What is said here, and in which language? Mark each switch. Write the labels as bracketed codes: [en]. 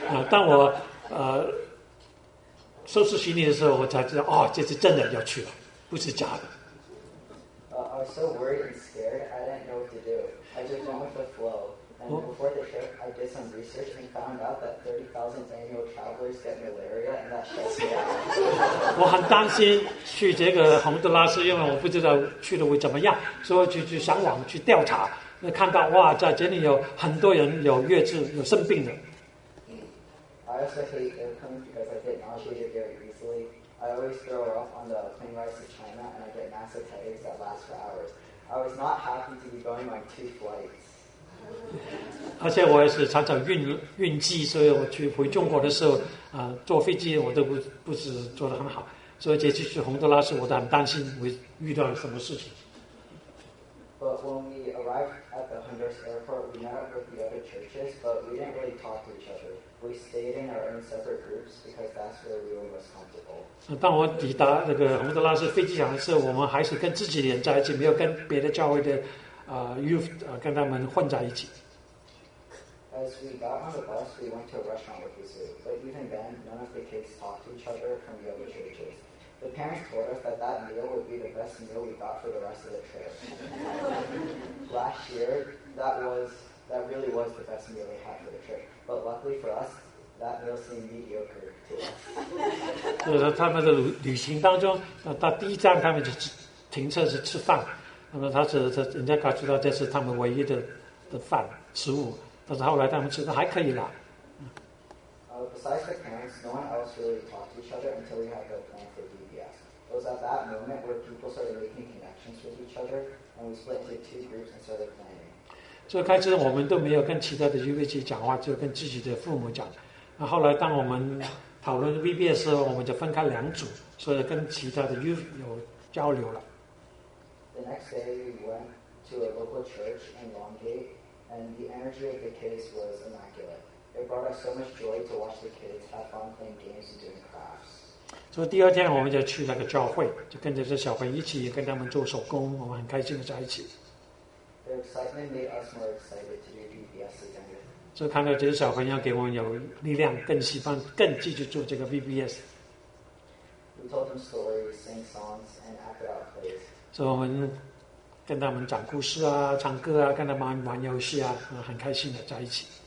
[zh] 当我收拾行李的时候，我才知道，哦，这次真的要去了，不是假的。 [en] I was so worried and scared. I didn't know what to do. I just went with the flow. And before the trip, I did some research and found out that 30,000 annual travelers get malaria, and that shuts me out. [zh] 我很担心去这个洪都拉斯，因为我不知道去的会怎么样，所以就上网去调查，那看到哇，在这里有很多人有月子有生病的。 [en] I also hate airplanes because I get nauseated very easily. I always throw up on the plane rides to China, and I get massive headaches that last for hours. I was not happy to be going on two flights. [zh] 而且我也是常常晕机，所以我去回中国的时候，坐飞机我都不是坐得很好，所以这次去洪都拉斯，我都很担心会遇到什么事情。 [en] But when we arrived at the Honduras airport, we met up with the other churches, but we didn't really talk to each other. We stayed in our own separate groups because that's where we were most comfortable. [zh] 当我抵达那个洪都拉斯飞机场的时候，我们还是跟自己的人在一起，没有跟别的教会的跟他们混在一起。 [en] As we got on the bus, we went to a restaurant with the zoo, but even then, none of the kids talked to each other from the other churches. The parents told us that that meal would be the best meal we got for the rest of the trip. Last year, that really was the best meal we had for the trip. But luckily for us, that meal seemed mediocre to us. [zh] 就是他们的旅行当中，到第一站他们就停车是吃饭。那么他人家告诉他这是他们唯一的饭食物，但是后来他们吃的还可以啦。 [en] Besides the parents, no one else really talked to each other until we had the plan for DBS. It was at that moment where people started making connections with each other, and we split into two groups and started planning. [zh] 所以开始我们都没有跟其他的预备去讲话，就跟自己的父母讲。那后来当我们讨论 VBS 的时候，我们就分开两组，所以跟其他的预备有交流了。 [en] The next day, we went to a local church in Long Gate, and the energy of the kids was immaculate. It brought us so much joy to watch the kids have fun playing games and doing crafts. [zh] 所以第二天我们就去那个教会，就跟着这小朋友一起跟他们做手工，我们很开心的在一起。 [en] Their excitement made us more excited to do VBS again. [zh] 所以看到这些小朋友给我们有力量，更喜欢更继续做这个 VBS。 [en] We told them stories, sing songs, and act out plays. [zh] 所以我们跟他们讲故事啊，唱歌啊，跟他们玩游戏啊，很开心的在一起。